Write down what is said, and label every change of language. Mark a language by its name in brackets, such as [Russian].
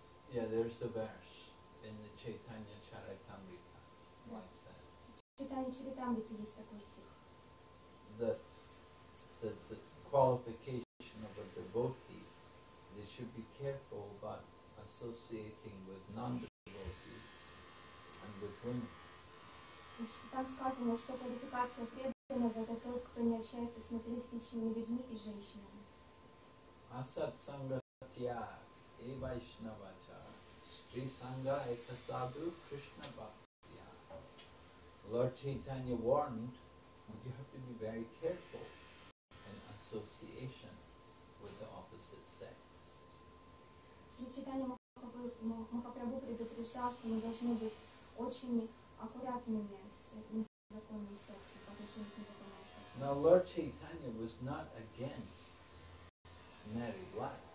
[English] Yeah, there's a verse in the Chaitanya Charitamrita like that. That says the qualification of a devotee, they should be careful about associating with non-devotees and with women. [Russian] Там сказано, что квалификация преданного это тот, кто не общается с материалистичными людьми и женщинами. [Sanskrit] Asat sangatya e vaishnavacha. Sri Sangha Eka Sadhu Krishna Bhaktiya. [English] Lord Chaitanya warned, you have to be very careful in association with the opposite sex. [Russian] Sri Chaitanya Mahaprabhu предупреждал, что мы должны быть очень аккуратными с незаконным сексом, по отношению к незаконному сексу. [English] Now Lord Chaitanya was not against married life.